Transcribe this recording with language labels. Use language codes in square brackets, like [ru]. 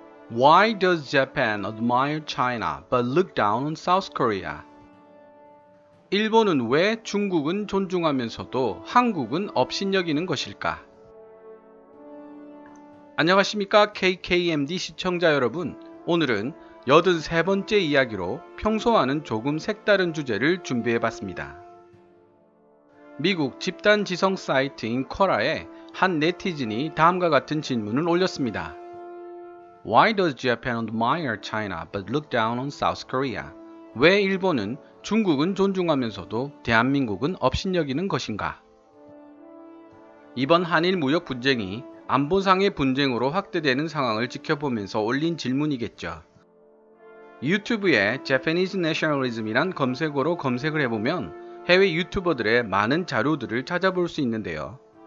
[en] Why does Japan admire China but look down on South Korea? [ko] 일본은 왜 중국은 존중하면서도 한국은 업신여기는 것일까? 안녕하십니까 KKMD 시청자 여러분, 오늘은 83번째 이야기로 평소와는 조금 색다른 주제를 준비해봤습니다. 미국 집단지성 사이트인 쿼라에 한 네티즌이 다음과 같은 질문을 올렸습니다. [en] Why does Japan admire China but look down on South Korea? [ko] 왜 일본은 중국은 존중하면서도 대한민국은 업신여기는 것인가? 이번 한일 무역 분쟁이 안보상의 분쟁으로 확대되는 상황을 지켜보면서 올린 질문이겠죠. 유튜브에 Japanese Nationalism이란 검색어로 검색을 해보면 해외 유튜버들의 많은 자료들을 찾아볼 수 있는데요.